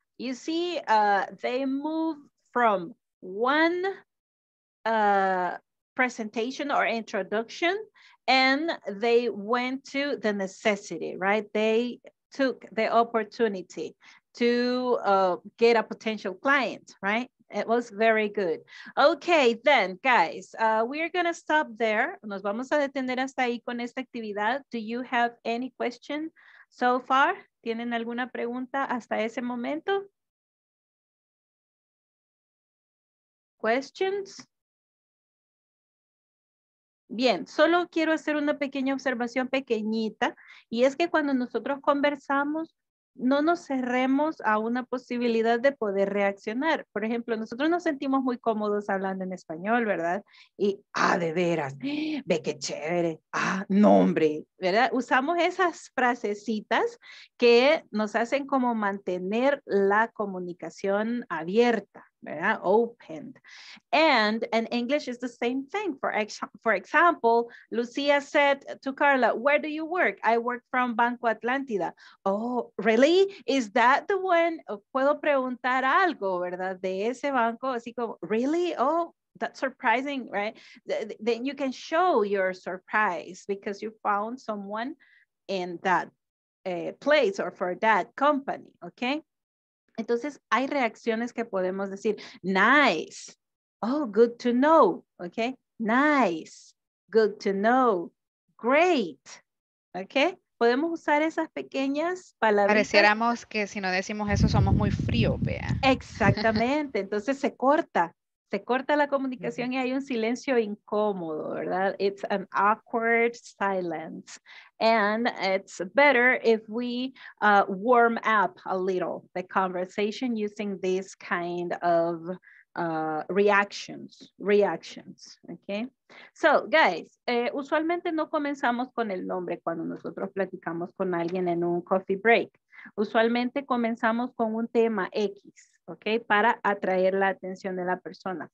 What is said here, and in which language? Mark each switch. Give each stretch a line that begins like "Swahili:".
English: You see, they move from one presentation or introduction, and they went to the necessity, right? They took the opportunity to get a potential client, right? It was very good. Okay, then, guys, we're going to stop there.
Spanish: Nos vamos a detener hasta ahí con esta actividad.
English: Do you have any question so far?
Spanish: ¿Tienen alguna pregunta hasta ese momento?
English: Questions?
Spanish: Bien, solo quiero hacer una pequeña observación pequeñita, y es que cuando nosotros conversamos, no nos cerremos a una posibilidad de poder reaccionar. Por ejemplo, nosotros nos sentimos muy cómodos hablando en español, ¿verdad? Y, ah, de veras, ve qué chévere, ah, nombre, ¿verdad? Usamos esas frasecitas que nos hacen como mantener la comunicación abierta, ¿verdad?
English: Opened. And in English is the same thing. For example, Lucia said to Carla, where do you work? I work from Banco Atlántida. Oh, really? Is that the one?
Spanish: Puedo preguntar algo, ¿verdad? De ese banco. Así como,
English: really? Oh, that's surprising, right? Then you can show your surprise because you found someone in that place or for that company, okay?
Spanish: Entonces, hay reacciones que podemos decir,
English: nice, oh, good to know, okay, nice, good to know, great, okay,
Spanish: podemos usar esas pequeñas palabras. Pareciéramos que si no decimos eso, somos muy frío, vea. Exactamente, entonces se corta la comunicación y hay un silencio incómodo, ¿verdad?
English: It's an awkward silence. And it's better if we warm up a little the conversation using this kind of reactions, okay? So, guys,
Spanish: usualmente no comenzamos con el nombre cuando nosotros platicamos con alguien en un coffee break. Usualmente comenzamos con un tema X, okay, para atraer la atención de la persona.